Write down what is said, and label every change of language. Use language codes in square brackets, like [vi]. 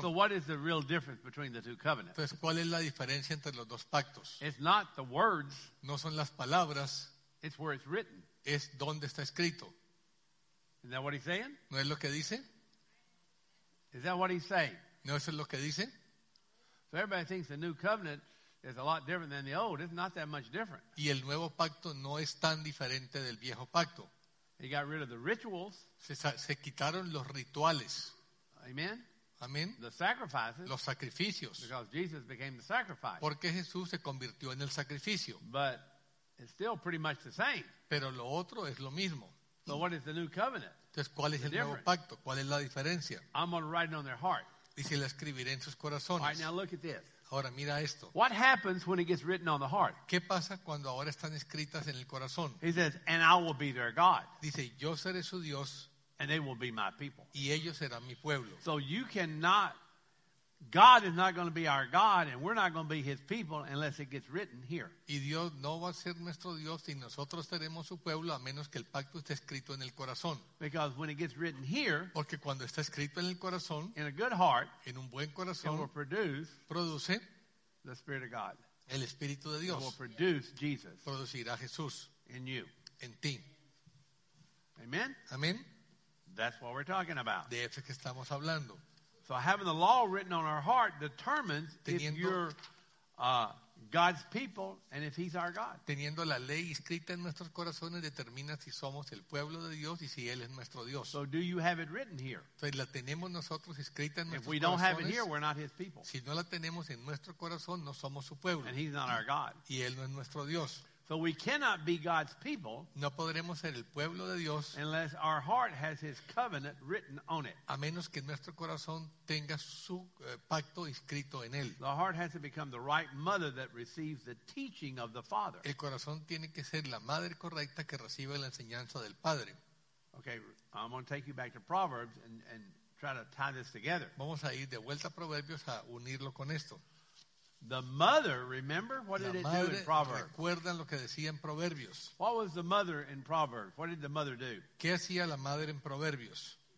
[en] So what is the real difference between the two covenants? [es] Entonces, ¿cuál es la diferencia entre los dos pactos? [en] It's not the words. [es] No son las palabras. [en] It's where it's written. [es] Es donde está escrito. [en] Is that what he's saying? [es] ¿No es lo que dice? [en] Is that what he's saying? [es] ¿No es lo que dice? [en] So everybody thinks the new covenant is a lot different than the old. It's not that much different. [es] Y el nuevo pacto no es tan diferente del viejo pacto. [en] He got rid of the rituals. [es] Se quitaron los rituales. [en] Amen. [es] Amen. [en] The sacrifices. [es] Los sacrificios. [en] Because Jesus became the sacrifice. [es] Porque Jesús se convirtió en el sacrificio. [en] But it's still pretty much the same. [es] Pero lo otro es lo mismo. [en] So what is the new covenant? [es] Entonces, ¿cuál es el nuevo pacto? ¿Cuál es la diferencia? [en] I'm going to write it on their heart. [es] Y se la escribiré en sus corazones. [en] All right, now look at this. [es] Ahora mira esto. [en] What happens when it gets written on the heart? [es] ¿Qué pasa cuando ahora están escritas en el corazón? [en] He says, and I will be their God. [es] Dice, yo seré su Dios. [en] And they will be my people. [es] Y ellos serán mi pueblo. [en] So you cannot, God is not going to be our God and we're not going to be his people unless it gets written here. [es] Y Dios no va a ser nuestro Dios y nosotros seremos su pueblo a menos que el pacto esté escrito en el corazón. [en] Because when it gets written here, [es] porque cuando está escrito en el corazón, [en] in a good heart, [es] en un buen corazón, [en] it will produce, [es] produce [en] the Spirit of God. [es] El Espíritu de Dios. [en] It will produce Jesus. [es] Producirá Jesús. [en] In you. [es] En ti. [en] Amen. [es] Amen. [en] That's what we're talking about. [es] De eso que estamos hablando. [en] So having the law written on our heart determines [es] teniendo, [en] if you're God's people and if he's our God. [es] Teniendo la ley escrita en nuestros corazones determina si somos el pueblo de Dios y si él es nuestro Dios. [en] So do you have it written here? [es] Entonces, la tenemos nosotros escrita en [en] if [es] nuestros [en] we don't [es] corazones, [en] have it here, we're not his people. [es] Si no la tenemos en nuestro corazón, no somos su pueblo. [en] And he's not our God. [es] Y él no es nuestro Dios. [en] So we cannot be God's people [es] no podremos ser el pueblo de Dios [en] unless our heart has his covenant written on it. [es] A menos que nuestro corazón tenga su pacto escrito en él. [en] The heart has to become the right mother that receives the teaching of the Father. [es] El corazón tiene que ser la madre correcta que recibe la enseñanza del Padre. [en] Okay, I'm going to take you back to Proverbs and try to tie this together. [es] Vamos a ir de vuelta a Proverbios a unirlo con esto. [en] The mother, remember, what did it do in Proverbs? [es] Recuerdan lo que decía en Proverbios. [en] What was the mother in Proverbs? What did the mother do? [es] ¿Qué hacía la madre en Proverbios?